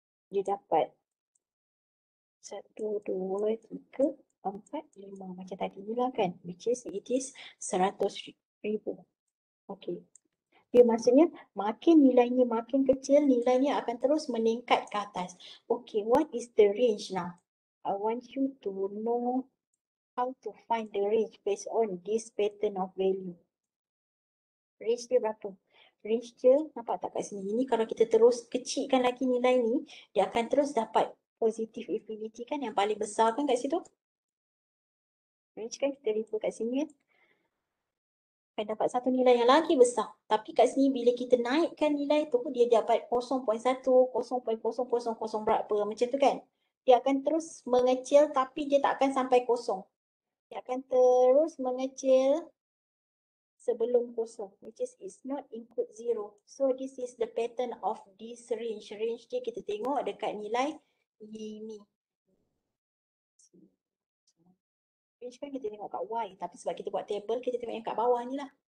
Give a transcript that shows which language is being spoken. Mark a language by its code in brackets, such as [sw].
[ms] Dia dapat 1, 2, 3, 4, 5. Macam tadi ni lah kan. [en] Which is it is 100,000. Okay. [ms] Dia maksudnya makin nilainya makin kecil, nilainya akan terus meningkat ke atas. [en] Okay, what is the range now? I want you to know how to find the range based on this pattern of value. [ms] Range dia berapa? Range dia, nampak tak kat sini? Ini kalau kita terus kecilkan lagi nilai ni, dia akan terus dapat positive infinity kan, yang paling besar kan kat situ? Range kan kita refer kat sini kan? Akan dapat satu nilai yang lagi besar. Tapi kat sini bila kita naikkan nilai tu, dia dapat 0.1, 0.000 berapa macam tu kan? Dia akan terus mengecil tapi dia tak akan sampai kosong. Dia akan terus mengecil sebelum kosong, [en] which is it's not include zero. So this is the pattern of this range. [ms] Range dia kita tengok dekat nilai ini. Range kan kita tengok kat Y, tapi sebab kita buat table, kita tengok yang kat bawah ni lah.